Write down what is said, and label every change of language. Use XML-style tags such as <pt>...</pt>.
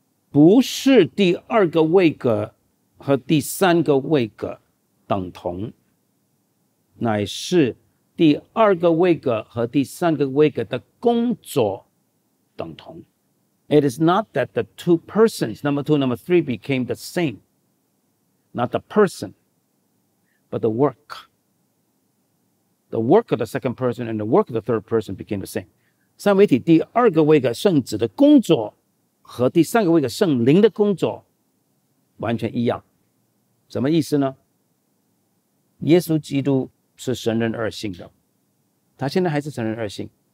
<zh>不是第二个位格和第三个位格等同，乃是第二个位格和第三个位格的工作等同。</zh> <en>It is not that the two persons number two number three became the same, not the personBut the work of the second person and the work of the third person became the same.</en> <zh>三位一体，第二个位格圣子的工作和第三个位格圣灵的工作完全一样。什么意思呢？耶稣基督是神人二性的，他现在还是神人二性。</zh>